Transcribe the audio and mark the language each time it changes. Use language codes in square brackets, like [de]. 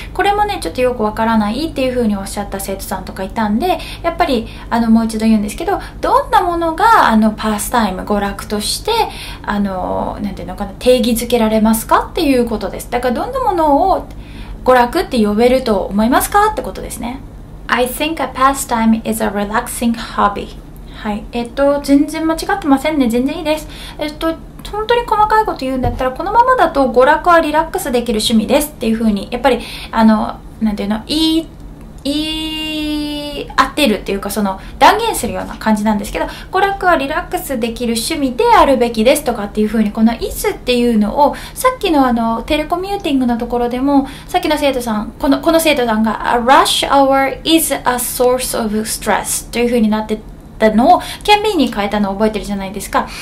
[ja] これもね、ちょっとよくわからないっていうふうにおっしゃった生徒さんとかいたんで、やっぱりもう一度言うんですけど、どんなものがパスタイム、娯楽としてなんていうのかな、定義づけられますかっていうことです。だからどんなものを娯楽って呼べると思いますかってことですね。 [en] I think a pastime is a relaxing hobby。 [ja] はい、全然間違ってませんね。全然いいです。本当に細かいこと言うんだったら、このままだと娯楽はリラックスできる趣味ですっていう風に、やっぱりなんていうの、いい合ってるっていうか、その断言するような感じなんですけど、娯楽はリラックスできる趣味であるべきですとかっていう風に、このイスっていうのを、さっきのあのテレコミューティングのところでも、さっきの生徒さん、この生徒さんが [en] A rush hour is a source of stress [ja] という風になってたのを can be に変えたのを覚えてるじゃないですか。